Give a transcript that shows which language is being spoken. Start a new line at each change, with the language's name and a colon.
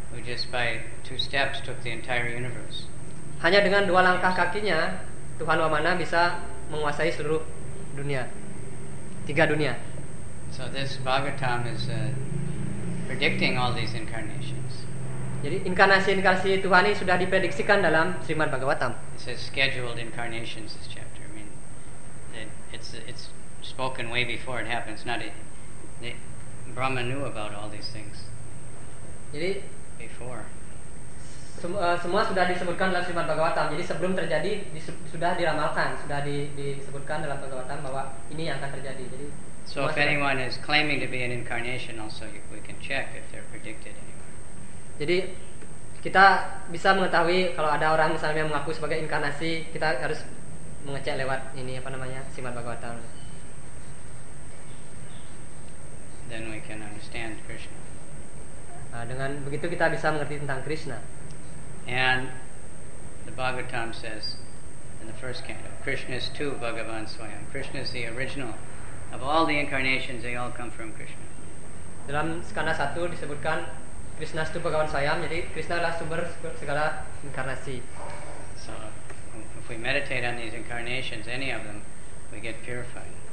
English: Who just by two steps took the entire universe.
Indonesian: Hanya dengan dua langkah kakinya, Tuhan Vamana bisa menguasai seluruh dunia, tiga dunia.
English: So this Bhagavatam is predicting all these incarnations.
Indonesian: Jadi inkarnasi-inkarnasi Tuhan ini sudah diprediksikan dalam Srimad Bhagavatam.
English: It says scheduled incarnations, this chapter. I mean, it's spoken way before it happens. Not it. Brahma knew about all these things.
Indonesian: Jadi
English: before.
Indonesian: Semua sudah disebutkan dalam Srimad Bhagavatam. Jadi sebelum terjadi sudah diramalkan, sudah disebutkan dalam Bhagavatam bahwa ini yang akan terjadi. Jadi
English: so if anyone is claiming to be an incarnation, also we can check if they're predicted anywhere.
Indonesian: Jadi kita bisa mengetahui kalau ada orang misalnya mengaku sebagai inkarnasi, kita harus mengecek lewat ini apa namanya Srimad Bhagavatam.
English: Then we can understand Krishna.
Indonesian: Dengan begitu kita bisa mengerti tentang Krishna.
English: And the Bhagavatam says in the first canto, Krishna is too Bhagavan Swayam. Krishna is the original of all the incarnations. They all come from Krishna.
Indonesian: Dalam skanda satu disebutkan Krishna itu Bhagavan Swayam. Jadi Krishna adalah sumber segala inkarnasi.
English: So if we meditate on these incarnations, any of them, we get purified.